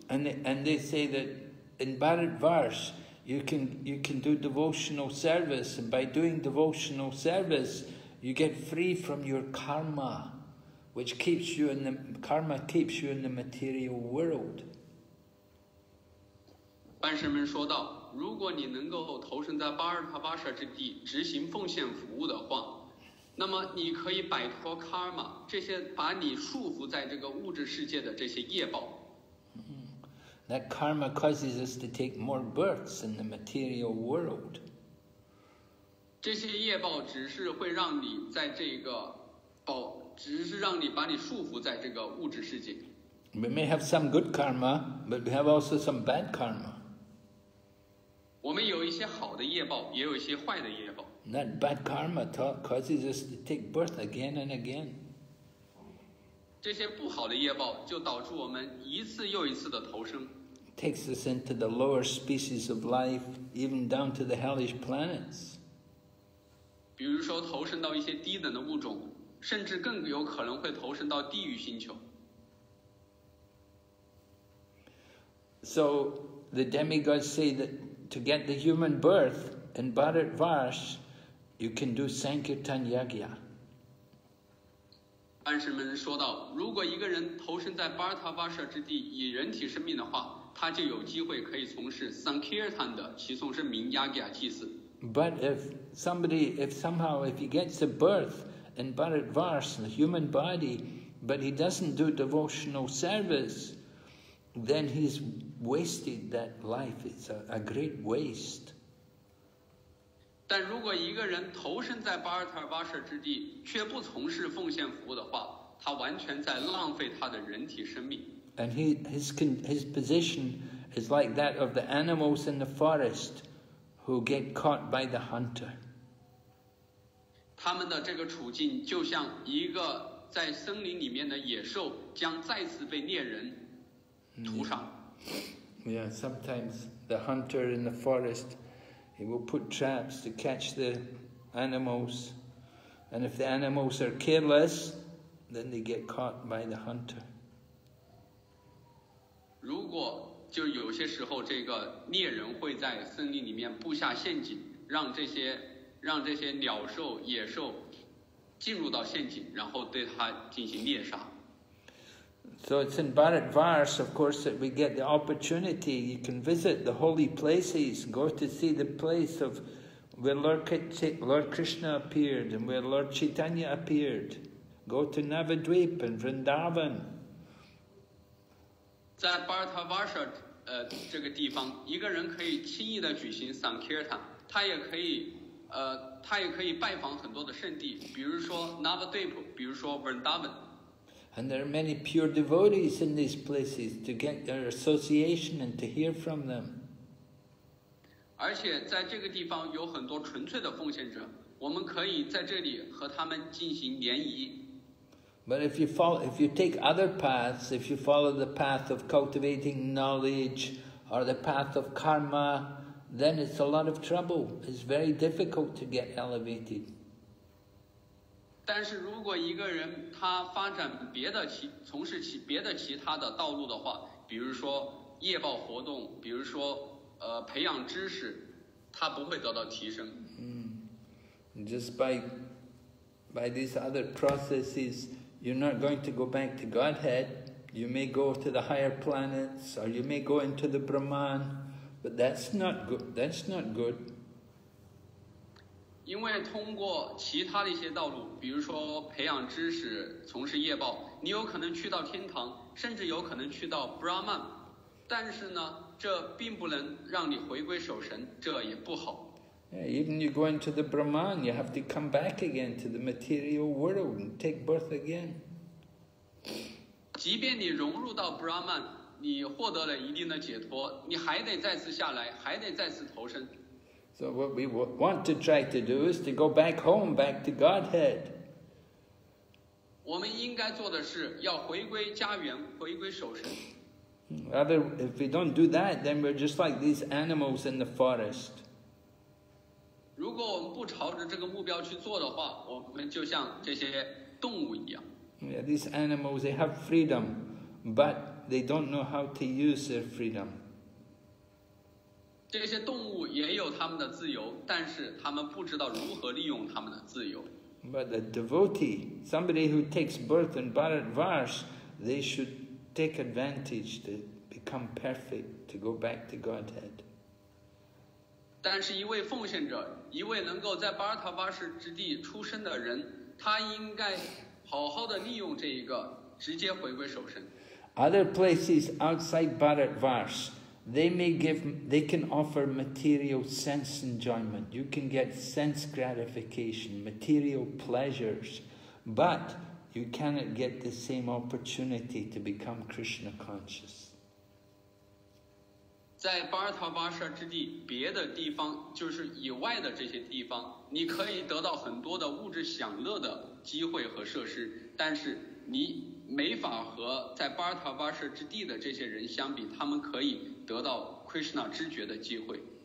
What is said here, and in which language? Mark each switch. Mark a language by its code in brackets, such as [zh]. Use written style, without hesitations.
[en] and they say that in Bharatvars You can do devotional service, and by doing devotional service, you get free from your karma, which keeps you in the karma keeps you in the material world. [zh] 班神们说道：“如果你能够投身在巴尔塔巴舍之地，执行奉献服务的话，那么你可以摆脱 karma 这些把你束缚在这个物质世界的这些业报。” [en] That karma causes us to take more births in the material world. [zh] 这些业报只是会让你在这个，只是让你把你束缚在这个物质世界。 [en] We may have some good karma, but we have also some bad karma. [zh] 我们有一些好的业报，也有一些坏的业报。 [en] That bad karma causes us to take birth again and again. [zh] 这些不好的业报就导致我们一次又一次的投生 [en] takes us into the lower species of life even down to the hellish planets [zh] 比如说投生到一些低等的物种甚至更有可能会投生到地狱星球 [en] So the demigods say that to get the human birth in Bharatvars you can do Sankirtan Yagya [zh] 安神们说道：“如果一个人投身在巴尔塔巴舍之地以人体生命的话，他就有机会可以从事 Sankirtan 的祈颂圣名 Yagya 祭祀。 [en] But if he gets a birth in Bharatvars, the human body, but he doesn't do devotional service, then he's wasted that life. It's a great waste.” [zh] 但如果一个人投身在巴尔塔巴舍之地，却不从事奉献服务的话，他完全在浪费他的人体生命。 [en] And his position is like that of the animals in the forest who get caught by the hunter. [zh] 他们的这个处境就像一个在森林里面的野兽将再次被猎人屠杀。 [en] Yeah, sometimes the hunter in the forest. He will put traps to catch the animals, and if the animals are careless, then they get caught by the hunter. [zh] 如果就有些时候，这个猎人会在森林里面布下陷阱，让这些鸟兽、野兽进入到陷阱，然后对它进行猎杀。 [en] So it's in Bharatvars, of course, that we get the opportunity. You can visit the holy places, go to see the place of where Lord Krishna appeared and where Lord Chaitanya appeared. Go to Navadvip and Vrindavan. [zh] 在 Bharatvarsha 这个地方，一个人可以轻易地举行 Sankirtan， 他也可以拜访很多的圣地，比如说 Navadvip， 比如说 Vrindavan。 [en] And there are many pure devotees in these places to get their association and to hear from them. [zh] 而且在这个地方有很多纯粹的奉献者，我们可以在这里和他们进行联谊。 [en] But if you follow, if you take other paths, if you follow the path of cultivating knowledge or the path of karma, then it's a lot of trouble. It's very difficult to get elevated. [zh] 但是如果一个人他发展别的其从事其别的其他的道路的话，比如说业报活动，比如说培养知识，他不会得到提升。 [en] Just by these other processes. You're not going to go back to Godhead. You may go to the higher planets, or you may go into the Brahman, but that's not good. That's not good. [zh] 因为通过其他的一些道路，比如说培养知识、从事业报，你有可能去到天堂，甚至有可能去到 Brahman. 但是呢，这并不能让你回归守神，这也不好。 [en] Even you go into the Brahman, you have to come back again to the material world and take birth again. [zh] 即便你融入到 Brahman, 你获得了一定的解脱，你还得再次下来，还得再次投生。 [en] So what we want to try to do is to go back home, back to Godhead. [zh] 我们应该做的是要回归家园，回归守神。 [en] Rather, if we don't do that, then we're just like these animals in the forest. [zh] 如果我们不朝着这个目标去做的话，我们就像这些动物一样。 [en] Yeah, these animals, they have freedom, but they don't know how to use their freedom. [zh] 这些动物也有他们的自由，但是他们不知道如何利用他们的自由。 [en] But a devotee, somebody who takes birth in Bharatvarsh, they should take advantage to become perfect, to go back to Godhead. [zh] 但是一位奉献者，一位能够在巴尔塔巴士之地出生的人，他应该好好的利用这一个，直接回归守身。 [en] Other places outside Bharatvarsh, they can offer material sense enjoyment. You can get sense gratification, material pleasures, but you cannot get the same opportunity to become Krishna conscious. [zh] 在巴尔塔巴舍之地，别的地方就是以外的这些地方，你可以得到很多的物质享乐的机会和设施，但是你没法和在巴尔塔巴舍之地的这些人相比，他们可以得到 Krishna 知觉的机会。